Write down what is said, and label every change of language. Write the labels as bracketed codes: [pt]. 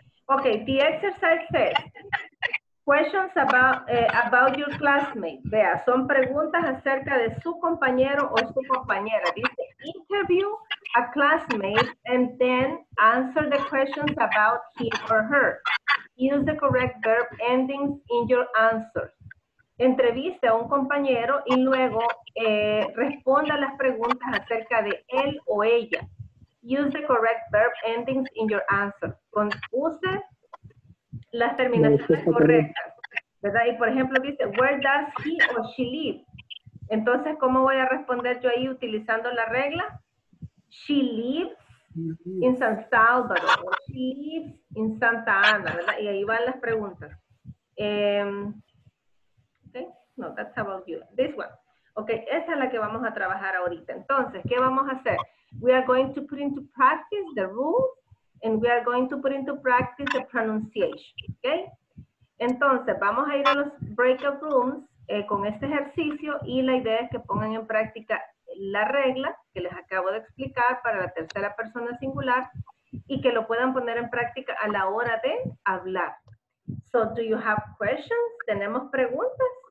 [en] Ok, the exercise says, questions about your classmate. [es] Vea, son preguntas acerca de su compañero o su compañera. [en] Dice, interview a classmate and then answer the questions about him or her. Use the correct verb endings in your answers. [es] Entrevista a un compañero y luego responda las preguntas acerca de él o ella. [en] Use the correct verb endings in your answer. [es] Use las terminaciones correctas, ¿verdad? Y por ejemplo dice, [en] where does he or she live? [es] Entonces, ¿cómo voy a responder yo ahí utilizando la regla? [en] She lives in San Salvador, or she lives in Santa Ana, [es] ¿verdad? Y ahí van las preguntas. [en] Okay, no, that's about you. This one. [es] Okay, esa es la que vamos a trabajar ahorita. Entonces, ¿qué vamos a hacer? [en] We are going to put into practice the rules, and we are going to put into practice the pronunciation. Okay? [es] Entonces, vamos a ir a los breakout rooms con este ejercicio, y la idea es que pongan en práctica la regla que les acabo de explicar para la tercera persona singular y que lo puedan poner en práctica a la hora de hablar. [en] So, do you have questions? [es] ¿Tenemos preguntas?